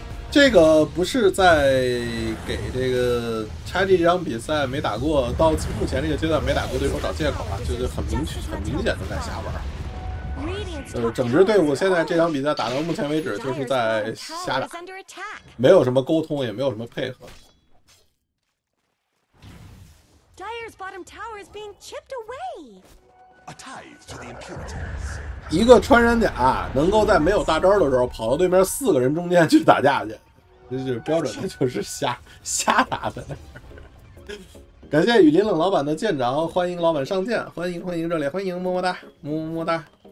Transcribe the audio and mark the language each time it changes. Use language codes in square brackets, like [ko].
[zh] 这个不是在给这个差这场比赛没打过，到目前这个阶段没打过对手找借口啊，就是很明显的在瞎玩。整支队伍现在这场比赛打到目前为止就是在瞎打，没有什么沟通，也没有什么配合。 [en] Dire's bottom tower is being chipped away. A tithe to the Impurities. [zh] 一个穿山甲能够在没有大招的时候跑到对面4个人中间去打架去，这就是标准的，就是瞎打的。感谢雨林冷老板的舰长，欢迎老板上舰，欢迎热烈欢迎，么么哒，么么哒。